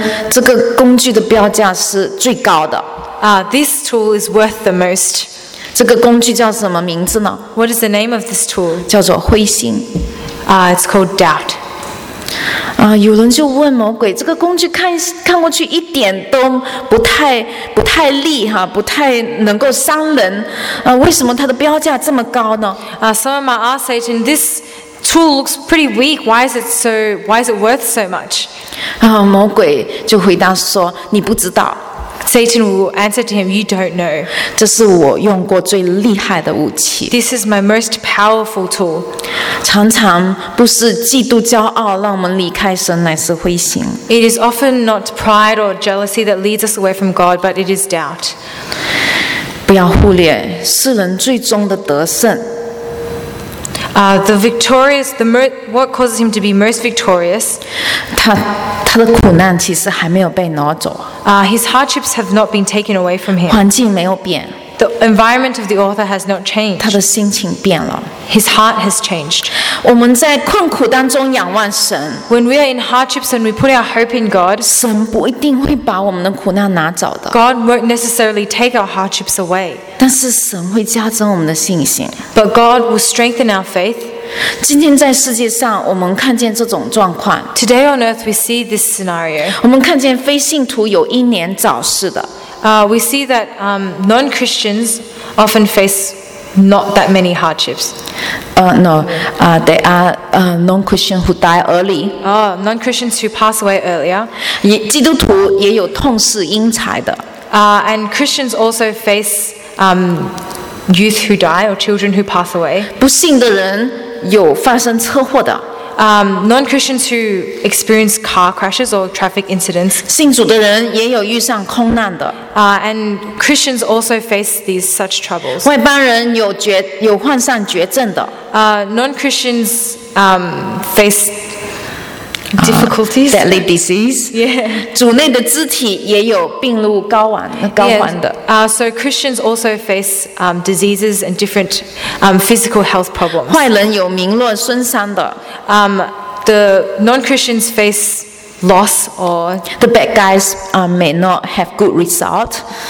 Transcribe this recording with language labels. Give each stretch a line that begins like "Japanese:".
Chinese: 这个工具的标价是最高的。
English: This tool is worth the most.
Chinese: 这个工具叫什么名字呢？
English: What is the name of this tool?
Chinese: 叫做灰心。
English: It's called doubt.
Chinese: 有人就问魔鬼，这个工具看过去一点都不太利哈，不太能够伤人，为什么它的标价这么高呢？
English: Someone might ask Satan, this tool looks pretty weak. Why is it worth so much?
Chinese: 魔鬼就回答说，你不知道。
English: Satan will answer to him, "You don't know."
Chinese: 这是我用过最厉害的武器。
English: This is my most powerful tool.
Chinese: 常常不是嫉妒骄傲让我们离开神，乃是灰心。
English: It is often not pride or jealousy that leads us away from God, but it is doubt.
Chinese: 不要忽略世人最终的得胜。
English: The victorious, what causes him to be most victorious?
Chinese: 他的苦难其实还没有被挪走。
English: His hardships have not been taken away from him.
Chinese: 环境没有变。
English: The environment of the author has not changed.
Chinese: 他的心情变了。
English: His heart has changed.
Chinese: 我们在困苦当中仰望神。
English: When we are in hardships and we put our hope in God,
Chinese: 神不一定会把我们的苦难拿走的。
English: God won't necessarily take our hardships away.
Chinese: 但是神会加增我们的信心。
English: But God will strengthen our faith.
Chinese: 今天在世界上我们看见这种状况。
English: Today on earth we see this scenario.
Chinese: 我们看见非信徒有英年早逝的。
English: We see that non-Christians often face not that many hardships. There are non-Christians who die early. Non-Christians who pass away earlier.
Chinese: 基督徒也有痛失英才的。
English: And Christians also face youth who die or children who pass away.
Chinese: 不幸的人有发生车祸的。
English: Non-Christians who experience car crashes or traffic incidents.
Chinese: 信主的人也有遇上空难的。
English: And Christians also face these such troubles.
Chinese: 外邦人有患上绝症的。
English: Non-Christians face difficulties. Deadly disease. Yeah.
Chinese: 主内的肢体也有病入膏肓的。
English: So Christians also face diseases and different physical health problems.
Chinese: 坏人有名落孙山的。
English: The non-Christians face loss or the bad guys may not have good result.